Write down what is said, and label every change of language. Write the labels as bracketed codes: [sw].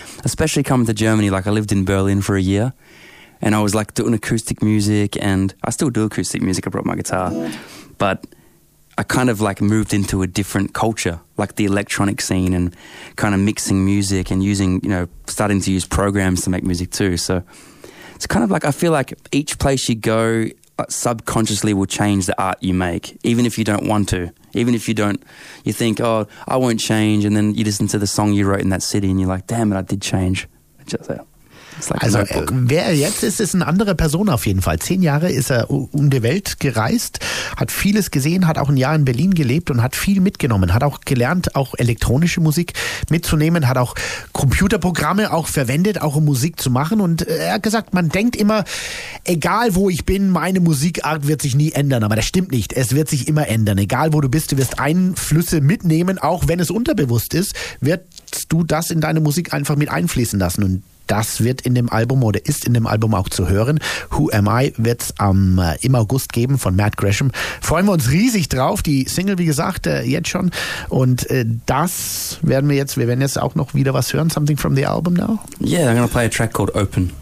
[en] Especially coming to Germany, like I lived in Berlin for a year. And I was like doing acoustic music, and I still do acoustic music. I brought my guitar, but I kind of like moved into a different culture, like the electronic scene and kind of mixing music and using, you know, starting to use programs to make music too. So it's kind of like, I feel like each place you go subconsciously will change the art you make, even if you don't want to, even if you don't, you think, oh, I won't change. And then you listen to the song you wrote in that city and you're like, damn it, I did change. Just that. [de] Like also, wer jetzt ist, ist eine andere Person auf jeden Fall. 10 Jahre ist er um die Welt gereist, hat vieles gesehen, hat auch ein Jahr in Berlin gelebt und hat viel mitgenommen. Hat auch gelernt, auch elektronische Musik mitzunehmen, hat auch Computerprogramme auch verwendet, auch um Musik zu machen. Und er hat gesagt, man denkt immer, egal wo ich bin, meine Musikart wird sich nie ändern. Aber das stimmt nicht. Es wird sich immer ändern. Egal wo du bist, du wirst Einflüsse mitnehmen, auch wenn es unterbewusst ist, wirst du das in deine Musik einfach mit einfließen lassen. Und das wird in dem Album oder ist in dem Album auch zu hören. Who Am I wird es im August geben von Matt Gresham. Freuen wir uns riesig drauf. Die Single, wie gesagt, jetzt schon. Und das werden wir jetzt, wir werden jetzt auch noch wieder was hören. [en] Something from the album now? Yeah, I'm going to play a track called Open.